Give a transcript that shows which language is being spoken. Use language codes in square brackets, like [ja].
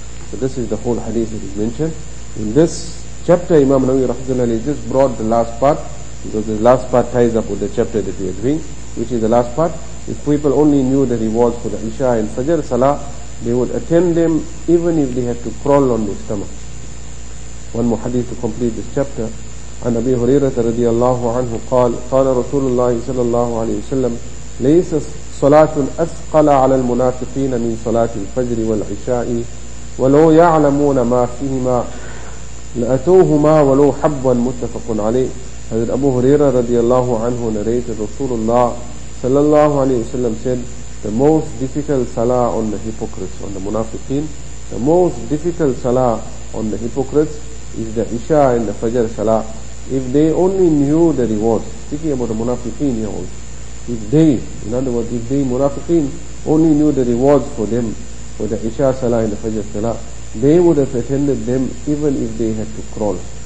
[en] So this is the whole hadith that is mentioned. In this chapter, Imam Nawawi rahmatullahi alayhi just brought the last part, because the last part ties up with the chapter that we are doing, which is the last part. If people only knew the rewards for the Isha and Fajr Salah, they would attend them even if they had to crawl on their stomach. One more hadith to complete this chapter. [ar] عن أبي هريرة رضي الله عنه قال قال رسول الله صلى الله عليه وسلم ليس صلاة أثقل على المنافقين من صلاة الفجر والعشاء ولو يعلمون ما فيهما لأتوهما ولو حبا متفق عليه. هذا أبو هريرة رضي الله عنه [en] narrated [ar] رسول الله صلى الله عليه وسلم [en] said the most difficult salah on the hypocrites, on the munafiqeen, the most difficult salah on the hypocrites is the Isha and the Fajr salah. If they only knew the rewards, speaking about the munafiqeen here also, if they, munafiqeen, only knew the rewards for them, for the Isha Salah and the Fajr Salah, they would have attended them even if they had to crawl.